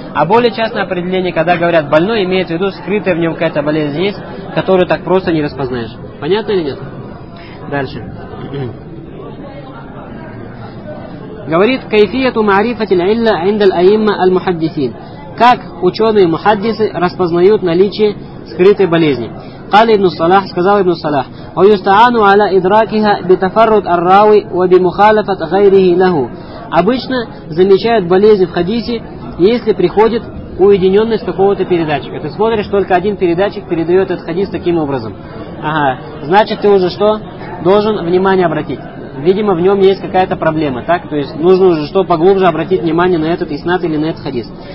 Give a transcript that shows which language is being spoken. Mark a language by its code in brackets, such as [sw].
[ru] А более частное определение, когда говорят больной, имеется в виду скрытая в нем какая-то болезнь есть, которую так просто не распознаешь. Понятно или нет? Дальше. Говорит, [ar] кайфияту маарифати аль-илля инда аль-айма аль-мухаддисин. [ru] Как ученые мухаддисы распознают наличие скрытой болезни? [ar] قال ابن صلاح, [ru] сказал [ar] ابن صلاح, ويستعان على إدراكها بتفرد الراوي وبمخالفة غيره له. [ru] Обычно замечают болезнь в хадисе, если приходит уединенность какого-то передатчика. Ты смотришь, только один передатчик передает этот хадис таким образом. Ага. Значит, ты уже что? Должен внимание обратить. Видимо, в нем есть какая-то проблема, так? То есть нужно уже что поглубже обратить внимание на этот иснад или на этот хадис.